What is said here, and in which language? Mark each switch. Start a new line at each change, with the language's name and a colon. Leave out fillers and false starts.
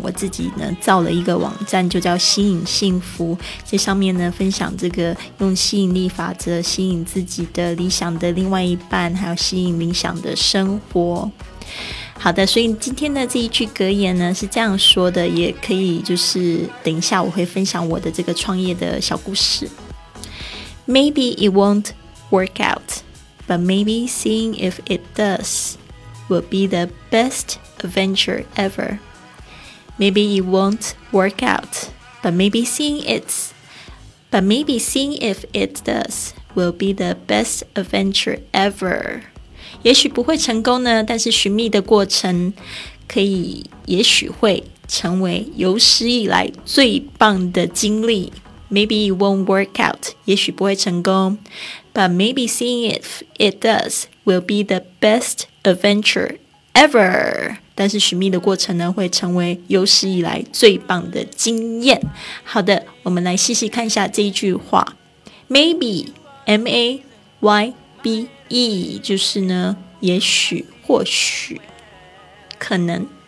Chinese: 我自己呢造了一个网站，就叫吸引幸福，在上面呢分享这个用吸引力法则吸引自己的理想的另外一半，还有吸引理想的生活。好的，所以今天的这一句格言呢是这样说的，也可以就是等一下我会分享我的这个创业的小故事。
English: Maybe it won't work out, but maybe seeing if it does will be the best adventure ever. Maybe it won't work out, but maybe seeing if it does will be the best adventure ever.
Chinese: 也许不会成功呢，但是寻觅的过程可以，也许会成为有史以来最棒的经历。
English: Maybe it won't work out,
Chinese: 也许不会成功，
English: But maybe seeing if it does will be the best adventure ever.
Chinese: 但是寻觅的过程呢会成为有史以来最棒的经验。好的，我们来细细看一下这一句话。 Maybe, M-A-Y-B,就是呢也许或许可能。